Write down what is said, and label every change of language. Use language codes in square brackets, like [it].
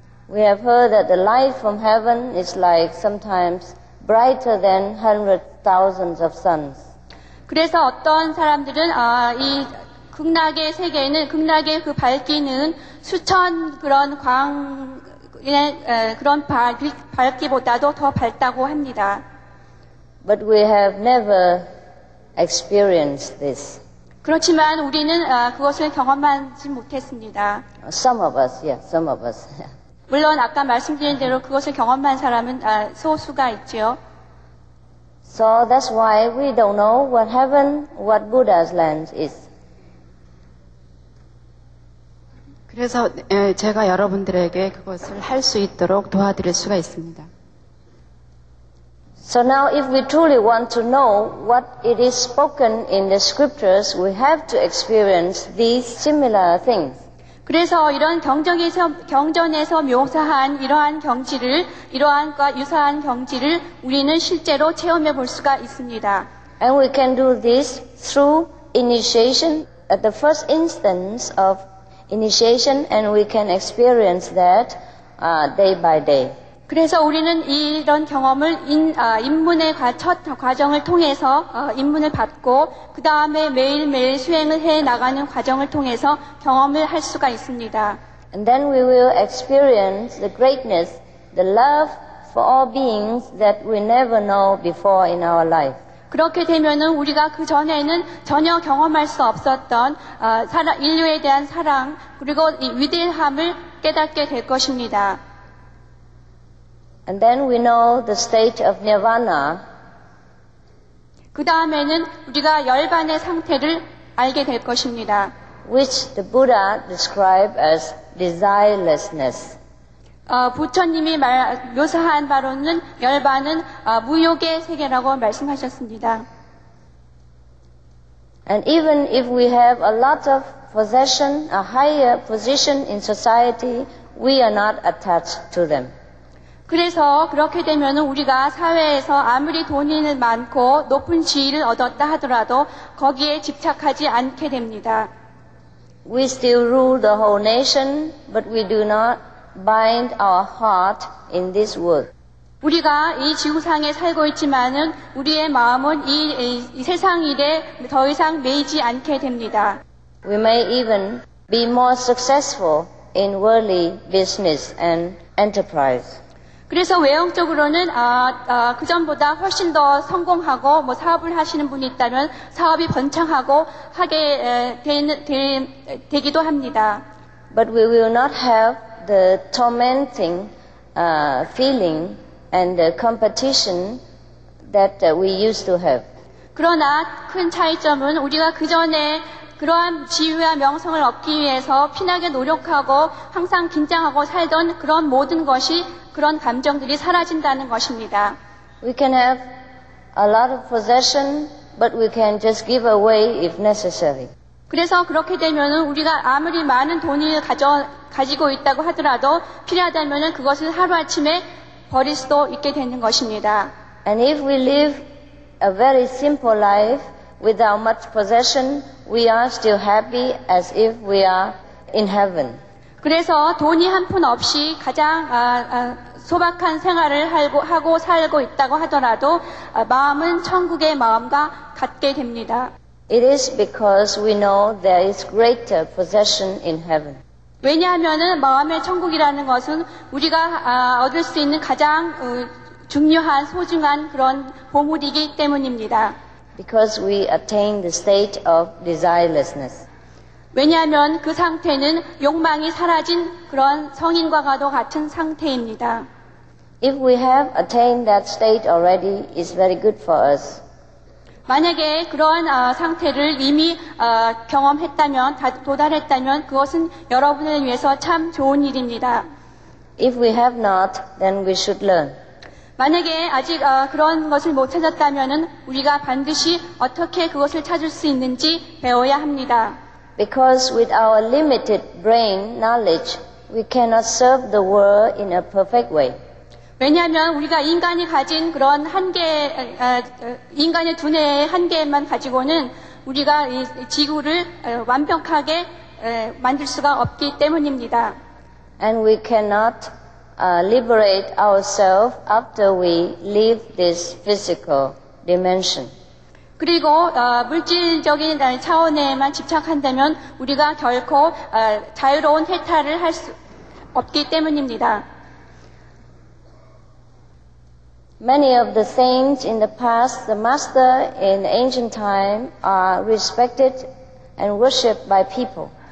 [en] We have heard that the light from heaven is like sometimes brighter than hundreds thousands of suns. [ko] 그래서 어떤 사람들은 이 극락의 세계에는 극락의 그 밝기는 수천 그런 광의 그런 밝기보다도 더 밝다고 합니다. [en] But we have never experience this. [ko] 그렇지만 우리는 그것을 경험하지 못했습니다. [en] Some of us, yeah, some of us. [ko] 물론 아까 말씀드린 대로 그것을 경험한 사람은 소수가 있죠. [en] So that's why we don't know what heaven, what Buddha's land is. [ko] 그래서 제가 여러분들에게 그것을 할 수 있도록 도와드릴 수가 있습니다. [en] So now if we truly want to know what it is spoken in the scriptures, we have to experience these similar things. [ko] 그래서 이런 경전에서 묘사한 이러한 경지를, 이러한과 유사한 경지를 우리는 실제로 체험해 볼 수가 있습니다. [en] And we can do this through initiation, at the first instance of initiation, and we can experience that day by day. [ko] 그래서 우리는 이런 경험을 입문의 첫 과정을 통해서 입문을 받고 그 다음에 매일매일 수행을 해 나가는 과정을 통해서 경험을 할 수가 있습니다. [en] And then we will experience the greatness, the love for all beings that we never know before in our life. [ko] 그렇게 되면은 우리가 그 전에는 전혀 경험할 수 없었던 인류에 대한 사랑 그리고 이 위대함을 깨닫게 될 것입니다. [en] And then we know the state of nirvana. [ko] 그 다음에는 우리가 열반의 상태를 알게 될 것입니다. [en] Which the Buddha described as desirelessness. [ko] 부처님이 묘사한 바로는 열반은 무욕의 세계라고 말씀하셨습니다. [en] And even if we have a lot of possession, a higher position in society, we are not attached to them. [ko] 그래서 그렇게 되면 우리가 사회에서 아무리 돈이 많고 높은 지위를 얻었다 하더라도 거기에 집착하지 않게 됩니다. [en] We still rule the whole nation, but we do not bind our heart in this world. [ko] 우리가 이 지구상에 살고 있지만은 우리의 마음은 이 세상 일에 더 이상 매이지 않게 됩니다. [en] We may even be more successful in worldly business and enterprise. [ko] 그래서 외형적으로는 그 전보다 훨씬 더 성공하고 뭐 사업을 하시는 분이 있다면 사업이 번창하고 하게 되기도 합니다. [en] But we will not have the tormenting feeling and the competition that we used to have. [ko] 그러나 큰 차이점은 우리가 그 전에 그러한 지위와 명성을 얻기 위해서 피나게 노력하고 항상 긴장하고 살던 그런 모든 것이 그런 감정들이 사라진다는 것입니다. [en] We can have a lot of possession, but we can just give away if necessary. [ko] 그래서 그렇게 되면 우리가 아무리 많은 돈을 가지고 있다고 하더라도 필요하다면 그것을 하루아침에 버릴 수도 있게 되는 것입니다. [en] And if we live a very simple life without much possession, we are still happy as if we are in heaven. [ko] 그래서 돈이 한 푼 없이 가장 소박한 생활을 하고 살고 있다고 하더라도 마음은 천국의 마음과 같게 됩니다. [en] It is because we know there is greater possession in heaven. [ko] 왜냐하면 마음의 천국이라는 것은 우리가 얻을 수 있는 가장 중요한 소중한 그런 보물이기 때문입니다. [en] Because we attain the state of desirelessness. [ko] 왜냐하면 그 상태는 욕망이 사라진 그런 성인과도 같은 상태입니다. [en] If we have attained that state already, it's very good for us. [ko] 만약에 그런 상태를 이미 경험했다면, 도달했다면 그것은 여러분을 위해서 참 좋은 일입니다. [en] If we have not, then we should learn. [ko] 만약에 아직 그런 것을 못 찾았다면 우리가 반드시 어떻게 그것을 찾을 수 있는지 배워야 합니다. [en] Because with our limited brain knowledge, we cannot serve the world in a perfect way. [ko] 왜냐하면 우리가 인간이 가진 그런 한계, 인간의 두뇌의 한계만 가지고는 우리가 이 지구를 완벽하게 만들 수가 없기 때문입니다. [en] And we cannot liberate ourselves after we leave this physical dimension. [ko] 그리고 물질적인 차원에만 집착한다면 우리가 결코 자유로운 해탈을 할 수 없기 때문입니다. [en] Many of the saints in the past, the master in ancient time, are respected and worshipped by people.